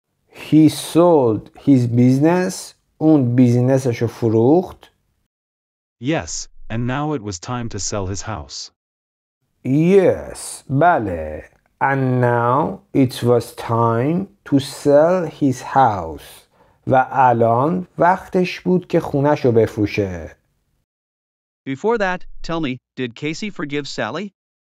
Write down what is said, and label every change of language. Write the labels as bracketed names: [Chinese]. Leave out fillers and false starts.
[English] He sold his business. [Persian] اون بیزنسشو فروخت. [English] Yes, and now it was time to sell his house. Yes, [Persian] بله. [English] And now it was time to sell his house. [Persian] و الان وقتش بود که خونهشو بفروشه. [English] Before that, tell me, did Casey forgive Sally?